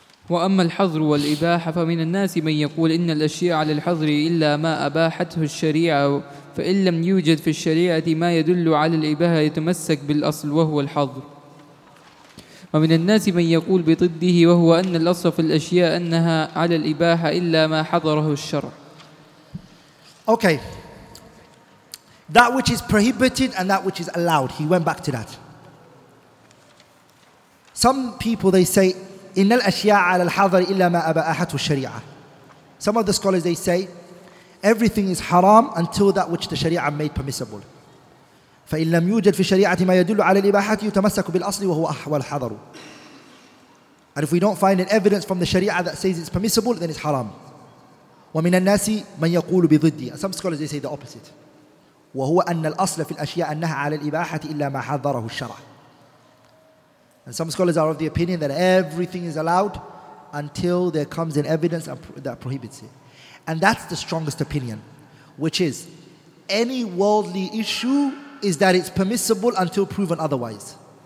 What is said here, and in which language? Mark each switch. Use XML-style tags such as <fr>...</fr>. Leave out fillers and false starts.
<ar>وأما الحظر والإباحة فمن الناس من يقول إن الأشياء على الحظر إلا ما أباحته الشريعة فإن لم يوجد في الشريعة ما يدل على الإباحة يتمسك بالأصل وهو الحظر ومن الناس من يقول بضده وهو أن الأصل في الأشياء أنها على الإباحة إلا ما حظره الشرع.</ar> <en>Okay. That which is prohibited and that which is allowed. He went back to that. Some people, they say,</en> <ar>إِنَّ الْأَشْيَاءَ عَلَى الْحَظَرِ إِلَّا مَا أَبَأَحَتُ الشَّرِيعَةَ.</ar> <en>Some of the scholars, they say, everything is haram until that which the Sharia made permissible.</en> <ar>فَإِنْ لَمْ يُوجَدْ فِي الشَّرِيعَةِ مَا يَدُلُّ عَلَى الْإِبَاحَةِ يُتَمَسَّكُ بِالْأَصْلِ وَهُوَ أَحْوَى الْحَظَرُ.</ar> <en>And if we don't find an evidence from the Sharia that says it's permissible, then it's haram.</en> <ar>وَمِنَ النَّاسِ مَنْ يَقُولُ بِضِدِّي.</ar> <en>Some scholars, they say the opposite.</en> <ar>وهو أن الأصل في الأشياء أنها على الإباحة إلا ما حذره الشرع.</ar> <en>And some scholars are of the opinion that everything is allowed until there comes an evidence that prohibits it. And that's the strongest opinion, which is any worldly issue is that it's permissible until proven otherwise.</en>